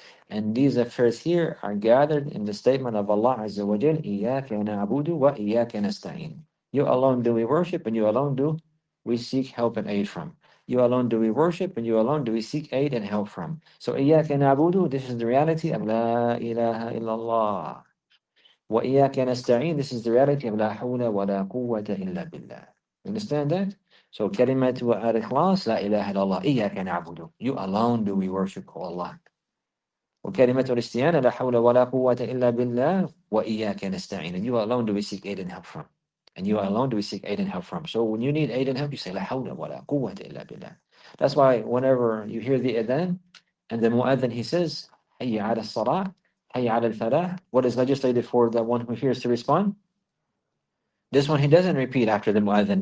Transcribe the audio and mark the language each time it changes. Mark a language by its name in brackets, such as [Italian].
[English] And these affairs here are gathered in the statement of Allah Azza wa Jal, [Arabic] إِيَّاكَ نَعْبُدُ وَإِيَّاكَ نَسْتَعِينُ. [English] You alone do we worship, and you alone do we seek help and aid from. You alone do we worship, and you alone do we seek aid and help from. So [Arabic] إِيَّاكَ نَعْبُدُ, [English] this is the reality of [Arabic] لَا إِلَهَ إِلَّا اللَّهِ. وَإِيَّاكَ نَسْتَعِينُ, [English] this is the reality of [Arabic] لَا حَوْلَ وَلَا قُوَّةَ إِلَّا بِاللَّهِ. [English] Understand that? So [Arabic] كَلِمَةُ وَأَرِخْلَاصُ لَا إِلَهَ إِلَّا اللَّهِ إِيَّاكَ نَعْبُدُ. [English] You alone do we worship, O Allah. [Arabic] وكلمة الاستعانة لا حول ولا قوة إلا بالله وإياك نستعين. [English] And you alone do we seek aid and help from. And you alone do we seek aid and help from. So when you need aid and help, you say [Arabic] لا حول ولا قوة إلا بالله. [English] That's why whenever you hear the adhan and the muadhan, he says [Arabic] حي على الصلاة, Hayy ala al-falah. [English] What is legislated for the one who hears to respond? This one he doesn't repeat after the mu'adhan.